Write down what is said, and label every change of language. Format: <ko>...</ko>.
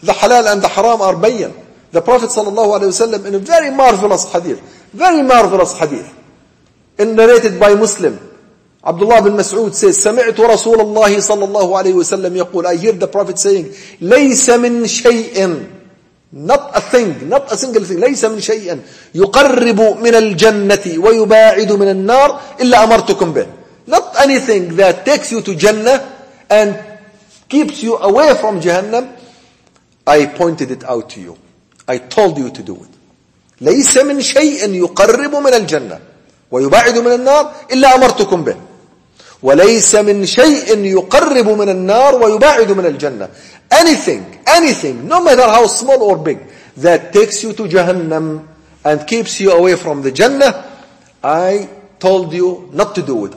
<en>The halal and the haram are bayan. The Prophet sallallahu alaihi wasallam in a very marvelous hadith, narrated by Muslim, Abdullah bin Mas'ud says,</en> <ar>سمعت رسول الله صلى الله عليه وسلم يقول,</ar> <en>I hear the Prophet saying,</en> <ar>ليس من شيء,</ar> <en>not a thing, not a single thing,</en> <ar>ليس من شيء, يقرب من الجنة ويباعد من النار إلا أمرتكم به.</ar> <en>Not anything that takes you to Jannah and keeps you away from Jahannam, I pointed it out to you. I told you to do it.</en> <ar>ليس من شيء يقرب من الجنة ويباعد من النار إلا أمرتكم به. وليس من شيء يقرب من النار ويباعد من الجنة.</ar> <en>Anything, no matter how small or big, that takes you to Jahannam and keeps you away from the Jannah, I told you not to do it.</en>